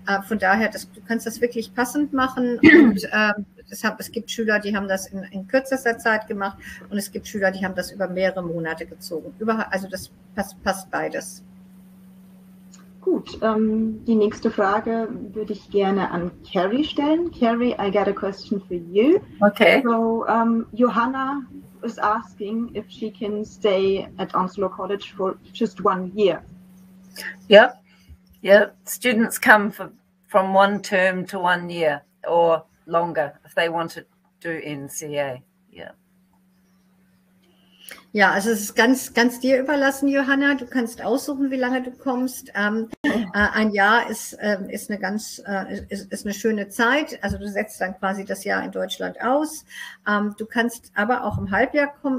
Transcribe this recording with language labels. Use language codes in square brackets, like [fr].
[de] Von daher, du kannst das wirklich passend machen. Und es gibt Schüler, die haben das in kürzester Zeit gemacht und es gibt Schüler, die haben das über mehrere Monate gezogen. Also das passt beides. Gut, die nächste Frage würde ich gerne an Carrie stellen. [en] Carrie, I got a question for you. Okay. So, Johanna is asking if she can stay at Onslow College for just 1 year. Yeah. Students come from one term to 1 year or longer if they want to do NCA. [de] Ja, also es ist ganz, ganz dir überlassen, Johanna. Du kannst aussuchen, wie lange du kommst. Ein Jahr ist eine schöne Zeit. Also du setzt dann quasi das Jahr in Deutschland aus. Du kannst aber auch im Halbjahr kommen.